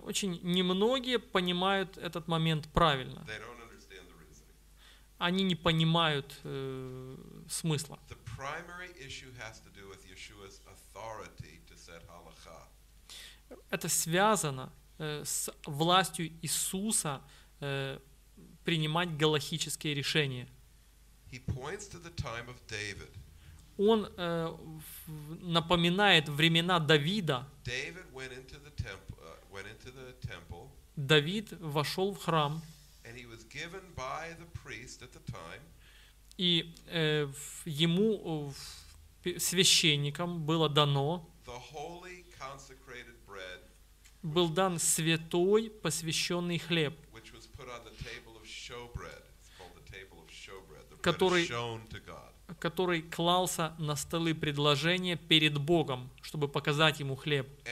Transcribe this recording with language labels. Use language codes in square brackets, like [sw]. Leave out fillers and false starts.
[ru] Очень немногие понимают этот момент правильно. [en] They don't understand the reasoning. [ru] Они не понимают смысла. [en] The primary issue has to do with Yeshua's authority to set halakha. [ru] Это связано с властью Иисуса принимать галахические решения. [en] He points to the time of David. [ru] Он напоминает времена Давида. [en] David went into the temple, [ru] Давид вошел в храм. [en] And he was given by the priest at the time, [ru] и ему, священникам, было дано [en] the holy consecrated bread, [ru] был дан святой посвященный хлеб, [en] which was put on the table of showbread. It's called the table of showbread. The [ru] который, [en] bread is shown to God. [ru] Который клался на столы предложения перед Богом, чтобы показать ему хлеб.